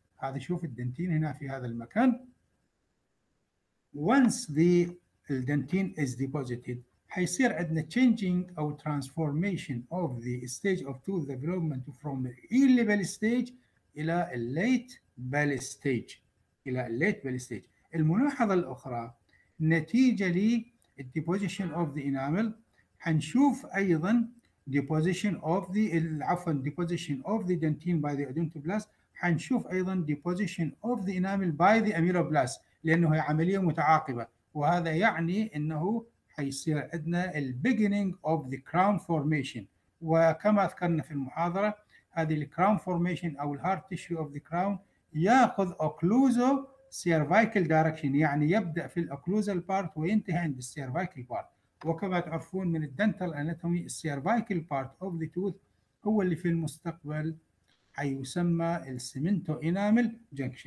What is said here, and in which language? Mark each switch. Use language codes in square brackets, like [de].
[ar] هذا شوف الدنتين هنا في هذا المكان، [en] once the الدنتين is deposited [ar] حيصير عندنا [en] changing أو transformation of the stage of tooth development from the early bell stage إلى late bell stage. إلى late bell stage. [ar] الملاحظة الأخرى نتيجة لـ [en] deposition of the enamel [ar] حنشوف أيضا [en] deposition of the deposition of the dentine by the odontoblast، حنشوف أيضا deposition of the enamel by the amyloblast، [ar] لأنه هي عملية متعاقبة، وهذا يعني أنه حيصير عندنا الـ [en] beginning of the crown formation. [ar] وكما ذكرنا في المحاضرة هذه الـ crown formation أو الـ [en] heart tissue of the crown [ar] يأخذ [en] occluso cervical direction، [ar] يعني يبدأ في الـ occlusal part وينتهي عند الـ cervical part. وكما تعرفون من الـ dental anatomy الـ [en] cervical part of the tooth [ar] هو اللي في المستقبل حيسمى الـ [en] cemento enamel junction.